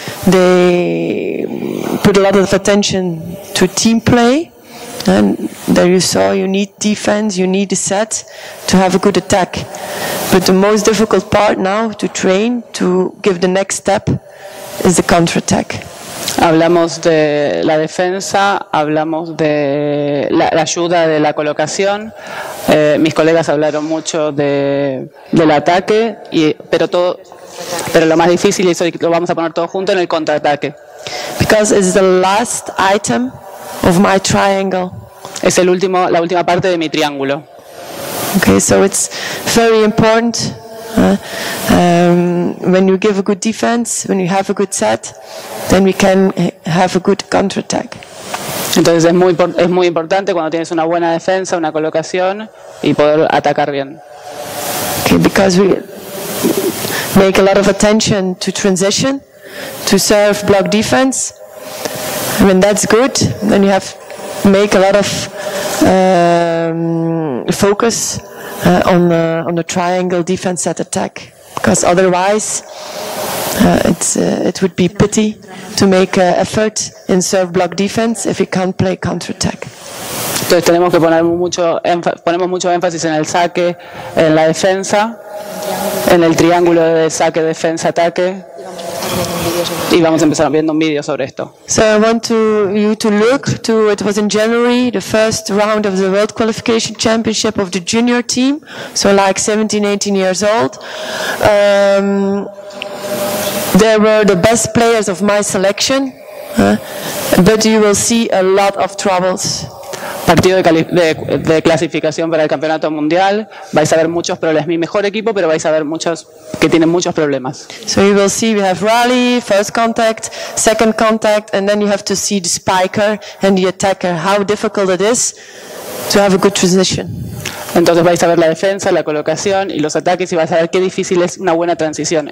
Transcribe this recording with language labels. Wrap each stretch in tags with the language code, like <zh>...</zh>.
<en>They put a lot of attention to team play. And there you saw, you need defense, you need a set to have a good attack. But the most difficult part now to train, to give the next step, is the counterattack.</en> <es>Hablamos de la defensa, hablamos de la ayuda de la colocación. Mis colegas hablaron mucho del ataque, pero lo más difícil, y eso lo vamos a poner todo junto, en el contraataque.</es> <en>Because it's the last item of my triangle.</en> <es>Es el último, la última parte de mi triángulo.</es> <en>Okay, so it's very important when you give a good defense, when you have a good set, then we can have a good counterattack.</en> <es>Entonces es muy importante cuando tienes una buena defensa, una colocación, y poder atacar bien.</es> <en>Okay, because we make a lot of attention to transition, to serve block defense. When that's good, then you have make a lot of focus on the triangle defense set attack, because otherwise it would be pity to make effort in serve block defense if you can't play counter attack.</en> <es>Entonces tenemos que ponemos mucho énfasis en el saque, en la defensa, en el triángulo de saque, defensa, ataque. Y vamos a empezar viendo un vídeo sobre esto.</es> <en>So I want you to look to, it was in January, the first round of the World Qualification Championship of the junior team, so like 17, 18 years old. There were the best players of my selection, but you will see a lot of troubles.</en> <es>partido de clasificación para el campeonato mundial. Vais a ver muchos problemas. Es mi mejor equipo, pero vais a ver muchos que tienen muchos problemas.</es> <en>So you will see we have rally, first contact, second contact, and then you have to see the spiker and the attacker. How difficult it is to have a good transition.</en> <es>Entonces vais a ver la defensa, la colocación y los ataques y vais a ver qué difícil es una buena transición.</es>